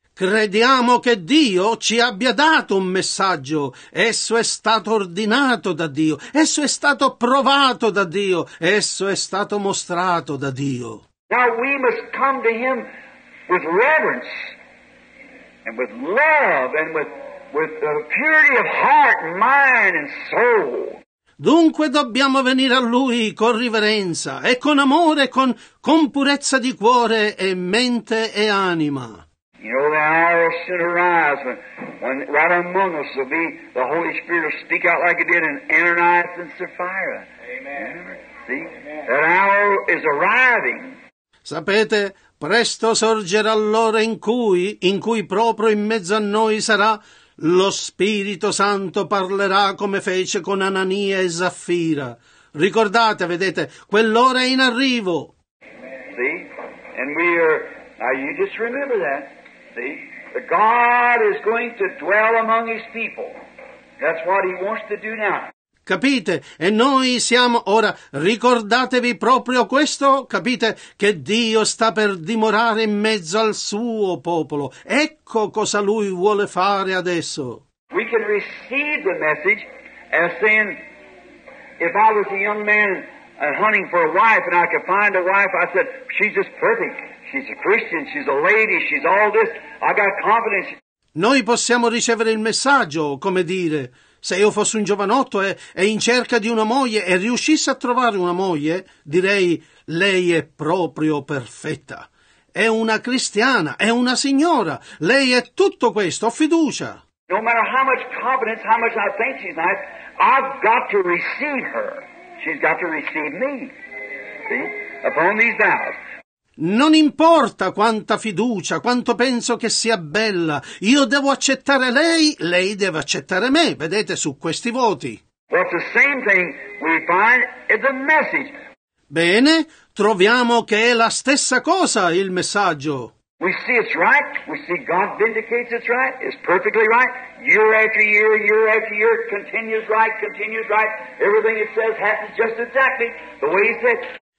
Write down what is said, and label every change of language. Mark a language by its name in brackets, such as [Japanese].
[Italian] Crediamo che Dio ci abbia dato un messaggio. Esso è stato ordinato da Dio. Esso è stato provato da Dio. Esso è stato mostrato da Dio. [English] Now we must come to Him with reverence and with love and with the purity of heart, mind and soul. [Italian] Dunque dobbiamo venire a Lui con riverenza e con amore, con purezza di cuore e mente e anima. [English] You know, the hour will soon arise when right among us will be the Holy Spirit will speak out like it did in Ananias and Sapphira. Amen. See? Amen. That hour is arriving. [Italian] Sapete, presto sorgerà l'ora in cui proprio in mezzo a noi sarà lo Spirito Santo parlerà come fece con Anania e Sapphira. Ricordate, vedete, quell'ora è in arrivo. [English] Amen. See? And we are... Now you just remember that. See, God is going to dwell among His people. That's what He wants to do now. [Italian] Capite? E noi siamo ora. Ricordatevi proprio questo. Capite che Dio sta per dimorare in mezzo al suo popolo. Ecco cosa Lui vuole fare adesso. [English] We can receive the message as saying, if I was a young man hunting for a wife and I could find a wife, I said, she's just perfect. She's a Christian, she's a lady, she's all this. I got confidence. [Italian] Noi possiamo ricevere il messaggio, come dire, se io fossi un giovanotto e in cerca di una moglie e riuscissi a trovare una moglie, direi, lei è proprio perfetta. È una cristiana, è una signora, lei è tutto questo, ho fiducia. [English] No matter how much confidence, how much I think she's nice, I've got to receive her. She's got to receive me. See? Upon these vows. [Italian] Non importa quanta fiducia, quanto penso che sia bella, io devo accettare lei, lei deve accettare me, vedete, su questi voti. [English] What's the same thing we find is the message. [Italian] Bene, troviamo che è la stessa cosa il messaggio. [English] We see it's right, we see God vindicates it's right, it's perfectly right, year after year, continues right, everything it says happens just exactly the way he said.